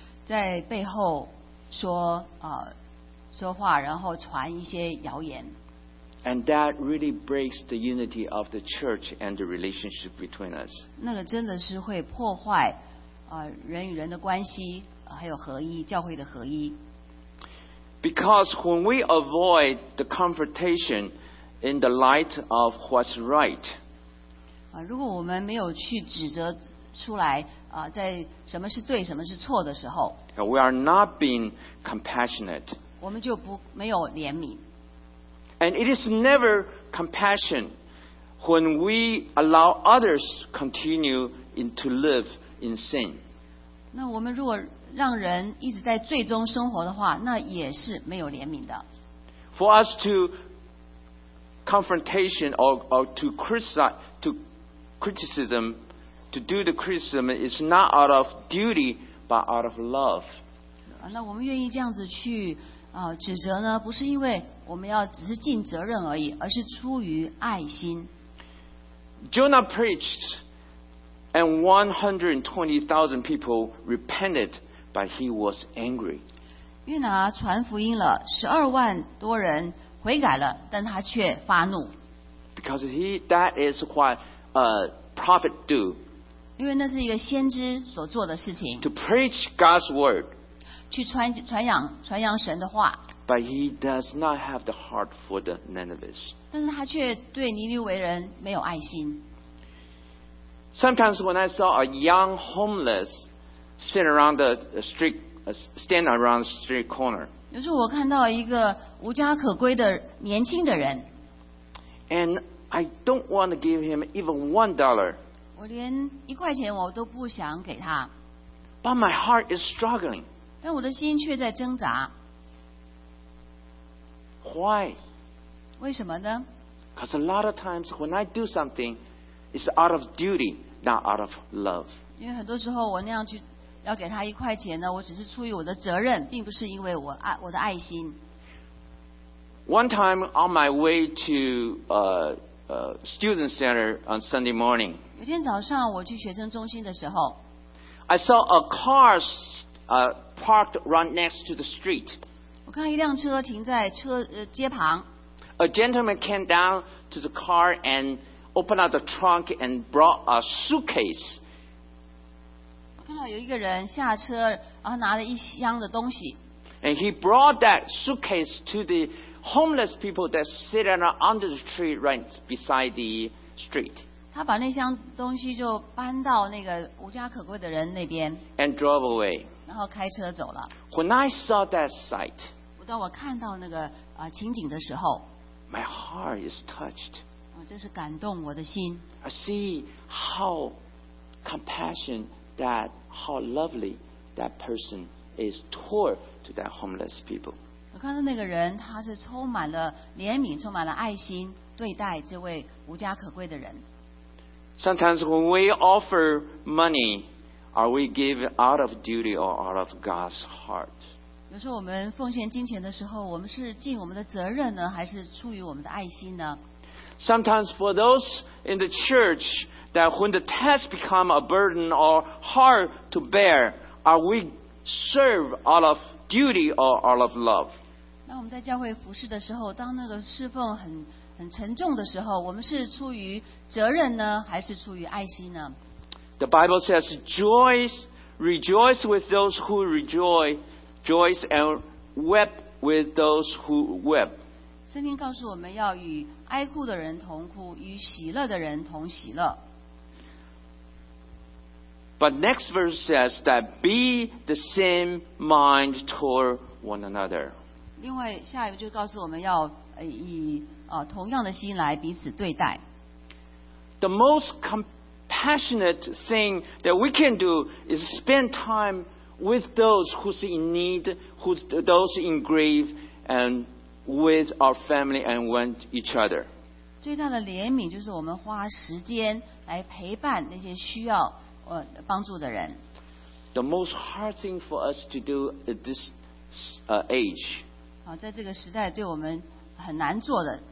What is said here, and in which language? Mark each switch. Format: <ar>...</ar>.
<zh>在背后说说话，然后传一些谣言。</zh> <en>And that really breaks the unity of the church and the relationship between us.</en> <zh>那个真的是会破坏人与人的关系，还有合一，教会的合一。</zh> <en>Because when we avoid the confrontation. In the light of what's right.</en> <zh>如果我们没有去指责出来在什么是对什么是错的时候，</zh> <en>We are not being compassionate.</en> <zh>我们就没有怜悯。</zh> <en>And it is never compassion when we allow others continue to live in sin.</en> <zh>那我们如果让人一直在罪中生活的话，那也是没有怜悯的。</zh> <en>For us toConfrontation to do the criticism is not out of duty but out of love.</en> <zh>那我们愿意这样子去指责呢，不是因为我们要只是尽责任而已，而是出于爱心。</zh> <en>Jonah preached and 120,000 people repented, but he was angry.</en> <zh>约拿传福音了120,000多人悔改了，但他却发怒。</zh> <en>Because that is what a prophet do.</en> <zh>因为那是一个先知所做的事情。</zh> <en>To preach God's word.</en> <zh>去传扬神的话。</zh> <en>But he does not have the heart for the Ninevites.</en> <zh>但是他却对尼尼微人没有爱心。</zh> <en>Sometimes when I saw a young homeless sit around the street, stand around the street corner.</en> <zh>有时候我看到一个无家可归的年轻的人。</zh> <en>And I don't want to give him even $1.</en> <zh>我连一块钱我都不想给他。</zh> <en>But my heart is struggling.</en> <zh>但我的心却在挣扎。</zh> <en>Why?</en> <zh>为什么呢？</zh> <en>Because a lot of times when I do something, it's out of duty, not out of love.</en> <zh>因为很多时候我那样去要给他一块钱呢，我只是出于我的责任，并不是因为我的爱心。</zh> <en>One time on my way to student center on Sunday morning.</en> <zh>有天早上我去学生中心的时候</zh> <en>I saw a car parked right next to the street.</en> <zh>我看一辆车停在车街旁</zh> <en>A gentleman came down to the car and opened up the trunk and brought a suitcase.</en> <zh>我看到有一个人下车然后拿了一箱的东西</zh> <en>And he brought that suitcase to the homeless people that sit under the tree right beside the street.</en> <zh>他把那箱东西就搬到那个无家可归的人那边</zh> <en>and drove away.</en> <zh>然后开车走了</zh> <en>When I saw that sight,</en> <zh>当我看到那个情景的时候</zh> <en>My heart is touched.</en> <zh>我真是感动我的心</zh> <en>I see how compassionate that, how lovely that person is toward to that homeless people.</en> <zh>我看到那个人他是充满了怜悯充满了爱心对待这位无家可归的人</zh> <en>Sometimes when we offer money, are we give out of duty or out of God's heart?</en> <zh>有时候我们奉献金钱的时候，我们是尽我们的责任呢，还是出于我们的爱心呢？</zh> <en>Sometimes for those in the church that when the task become a burden or hard to bear, are we serve out of duty or out of love?</en> <zh>那我们在教会服事的时候，当那个侍奉很沉重的时候，我们是出于责任呢，还是出于爱心呢？</zh> <en>The Bible says, rejoice with those who rejoice, and weep with those who weep.</en> <zh>圣经告诉我们要与哀哭的人同哭，与喜乐的人同喜乐。</zh> <en>But next verse says that be the same mind toward one another.</en> <zh>另外，下一个就告诉我们要以同样的心来彼此对待。</zh> <en>The most compassionate thing that we can do is spend time with those who's in need, who's those in grief, and with our family and with each other.</en> <zh>最大的怜悯就是我们花时间来陪伴那些需要帮助的人。</zh> <en>The most hard thing for us to do at this age.</en> <zh>在这个时代对我们很难做的。</zh>